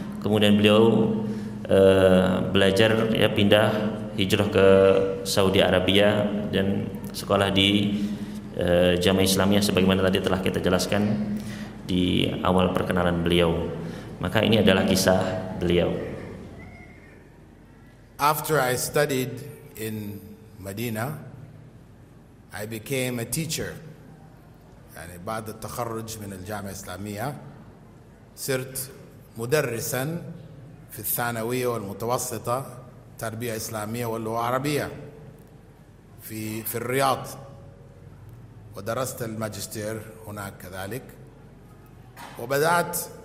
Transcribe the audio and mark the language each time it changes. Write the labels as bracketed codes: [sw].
[id] Kemudian beliau belajar, ya, pindah hijrah ke Saudi Arabia dan sekolah di Jamaah Islamiyah sebagaimana tadi telah kita jelaskan di awal perkenalan beliau. Maka ini adalah kisah beliau. [en] After I studied in Medina, I became a teacher. [ar] يعني بعد التخرج من الجامعة الإسلامية صرت مدرسا في الثانوية والمتوسطة تربية إسلامية واللغة العربية في الرياض، ودرست الماجستير هناك كذلك، وبدأت